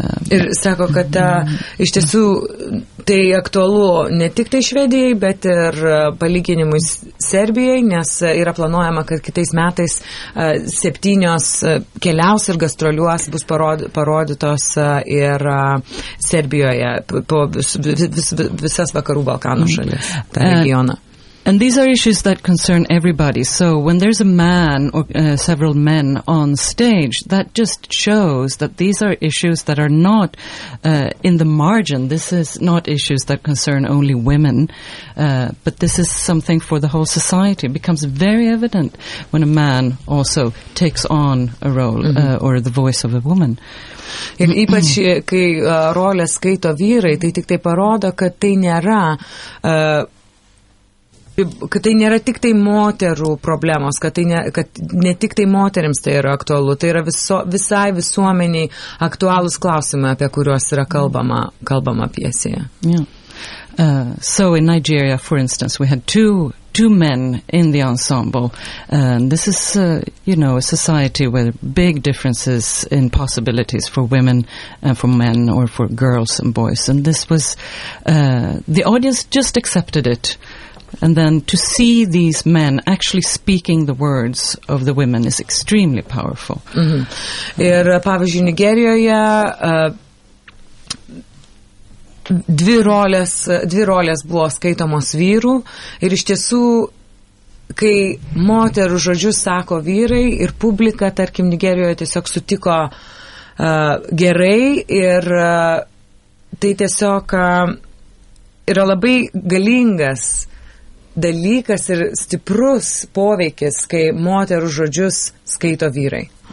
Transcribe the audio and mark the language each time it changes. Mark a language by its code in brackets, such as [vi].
[lt] Ir sako, kad iš tiesų tai aktualu ne tik tai Švedijai, bet ir palyginimui Serbijai, nes yra planuojama, kad kitais metais 7 keliaus ir gastroliuos bus parodytos ir Serbijoje po visas vakarų Balkanų šalis, tą regioną. [en] And these are issues that concern everybody. So when there's a man or several men on stage, that just shows that these are issues that are not in the margin. This is not issues that concern only women, but this is something for the whole society. It becomes very evident when a man also takes on a role or the voice of a woman. [lt] Ir ypač, kai rolę skaito vyrai, tai tik tai parodo, kad tai nėra... kad tai nėra tik tai moterų problemos, kad, tai ne, kad ne tik tai moterims tai yra aktualu, tai yra visai visuomeniai aktualūs klausimai, apie kuriuos yra kalbama pjesėje. [en] Yeah. So in Nigeria, for instance, we had two men in the ensemble. This is, you know, a society with big differences in possibilities for women and for men or for girls and boys. And this was, the audience just accepted it. And then to see these men actually speaking the words of the women is extremely powerful. Mm-hmm. [lt] Ir, pavyzdžiui, Nigerijoje, dvi rolės buvo skaitomos vyrų ir iš tiesų, kai moterų žodžius sako vyrai ir publika, tarkim, Nigerijoje tiesiog sutiko gerai ir tai tiesiog yra labai galingas dalykas ir stiprus poveikis, kai moterų žodžius skaito vyrai.